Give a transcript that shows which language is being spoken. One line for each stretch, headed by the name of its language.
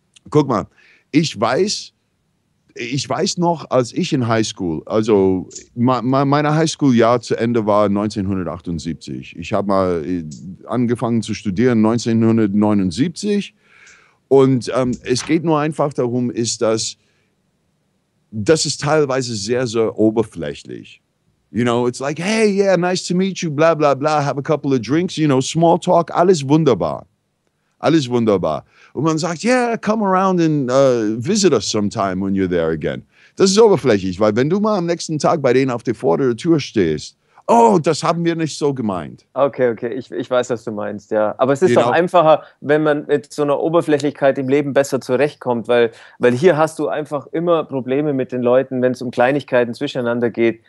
German: Guck mal, ich weiß noch, als ich in Highschool, also meine Highschool-Jahr zu Ende war 1978. Ich habe mal angefangen zu studieren 1979. Und es geht nur einfach darum, ist das teilweise sehr, sehr oberflächlich.
English: You know, it's like, hey, yeah, nice to meet you, blah, blah, blah, have a couple of drinks, you know, small talk,
German: alles wunderbar. Alles wunderbar. Und man sagt,
English: yeah, come around and visit us sometime when you're there again.
German: Das ist oberflächlich, weil wenn du mal am nächsten Tag bei denen auf der vorderen Tür stehst, oh, das haben wir nicht so gemeint. Okay, ich weiß, was du meinst, ja. Aber es ist doch einfacher, wenn man mit so einer Oberflächlichkeit im Leben besser zurechtkommt, weil hier hast du einfach immer Probleme mit den Leuten, wenn es um Kleinigkeiten zwischeneinander geht.